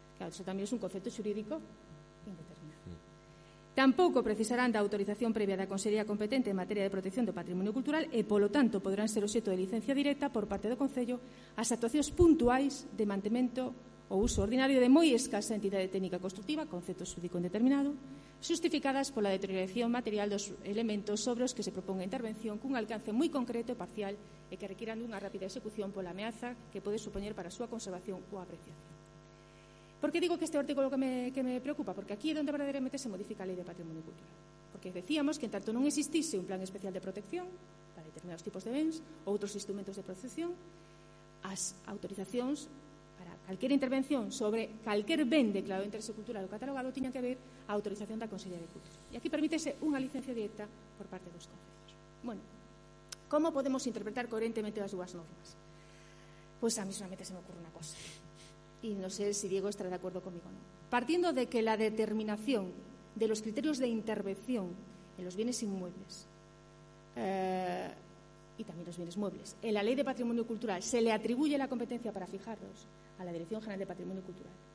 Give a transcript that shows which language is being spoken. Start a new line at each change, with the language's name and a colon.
Galician: Claro, iso tamén é un concepto xurídico indeterminado. Tampouco precisarán da autorización previa da Consellería competente en materia de protección do patrimonio cultural e, polo tanto, poderán ser obxeto de licencia directa por parte do Concello as actuacións puntuais de mantemento ou uso ordinario de moi escasa entidade técnica constructiva, concepto xurídico indeterminado, justificadas pola deterioración material dos elementos sobre os que se proponga intervención cun alcance moi concreto e parcial e que requiran dunha rápida execución pola ameaza que pode supoñer para a súa conservación ou apreciación. Por que digo que este artículo que me preocupa? Porque aquí é onde verdadeiramente se modifica a Lei de Patrimonio Cultural. Porque decíamos que, en tanto non existise un plan especial de protección para determinados tipos de bens ou outros instrumentos de protección, as autorizacións para calquera intervención sobre calquer ben declarado de interese cultural ou catalogado tiñan que haber a autorización da Consellería de Cultura. E aquí permítese unha licencia directa por parte dos concellos. Bueno, como podemos interpretar coherentemente as dúas normas? Pois a mí
Spanish: solamente se me ocurre
Galician: unha cosa. E non sei se Diego estará de acordo comigo ou non. Partindo de que
Spanish: la determinación de los criterios de intervención en los bienes inmuebles y también los bienes muebles, en la Ley de Patrimonio Cultural se le atribuye la competencia para fijarlos a la Dirección General de Patrimonio Cultural.